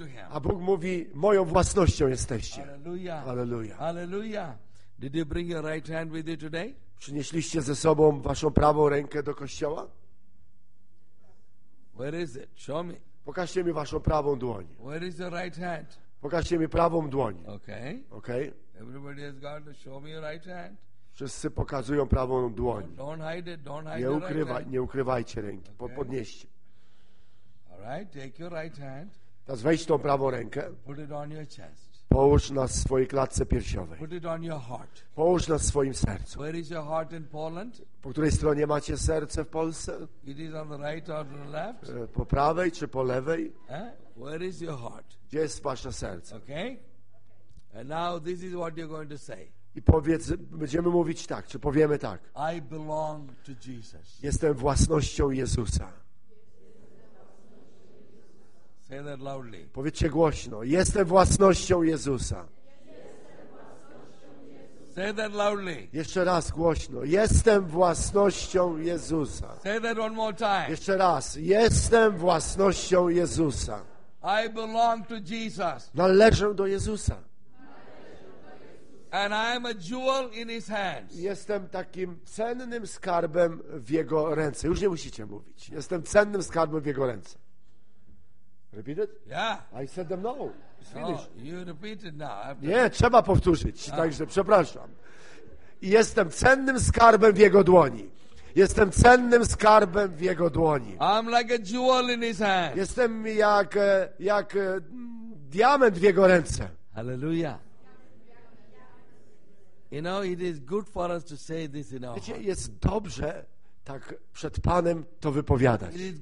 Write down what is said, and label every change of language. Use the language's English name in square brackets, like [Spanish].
[Polish] A Bóg mówi, moją własnością jesteście. [English] Hallelujah. Hallelujah. Did you bring your right hand with you today? [Polish] Przynieśliście ze sobą waszą prawą rękę do kościoła? [English] Where is it? Show me. [Polish] Pokażcie mi waszą prawą dłoń. [English] Where is your right hand? [Polish] Pokażcie mi prawą dłoń. [English] Okay. Okay. Everybody has got to show me your right hand. [Polish] Wszyscy pokazują prawą dłoń. [English] Don't hide it, don't hide [Polish] nie, ukrywa, nie ukrywajcie ręki. Okay. Podnieście. [English] All right, take your right hand. [Polish] Teraz weź tą prawą rękę. [English] Put it on your chest. [Polish] Połóż na swojej klatce piersiowej. [English] Put it on your heart. [Polish] Połóż na swoim sercu. [English] Where is your heart in Poland? [Polish] Po której stronie macie serce w Polsce? [English] It is on the right or the left? [Polish] Po prawej czy po lewej? [English] Eh? Where is your heart? [Polish] Gdzie jest wasze serce? [English] Okay. And now this is what you're going to say. [Polish] I powiedz, będziemy mówić tak, czy powiemy tak. [English] I belong to Jesus. [Polish] Jestem własnością Jezusa. [English] Say that loudly. [Polish] Powiedzcie głośno. Jestem własnością Jezusa. [English] Say that loudly. [Polish] Jeszcze raz głośno. Jestem własnością Jezusa. [English] Say that one more time. [Polish] Jeszcze raz. Jestem własnością Jezusa. [English] I belong to Jesus. [Polish] Należę do Jezusa. [English] And I am a jewel in his hands. [Polish] Jestem takim cennym skarbem w jego ręce. Już nie musicie mówić. Jestem cennym skarbem w jego ręce. [English] Repeat it? Yeah. I said them no. You repeat it now. [Polish] Nie, trzeba powtórzyć. No. Także przepraszam. Jestem cennym skarbem w jego dłoni. Jestem cennym skarbem w jego dłoni. [English] I'm like a jewel in his hands. [Polish] Jestem jak diament w jego ręce. [English] Hallelujah. You know, it is good for us to say this in our heart. [Polish] Jest dobrze tak przed Panem to wypowiadać.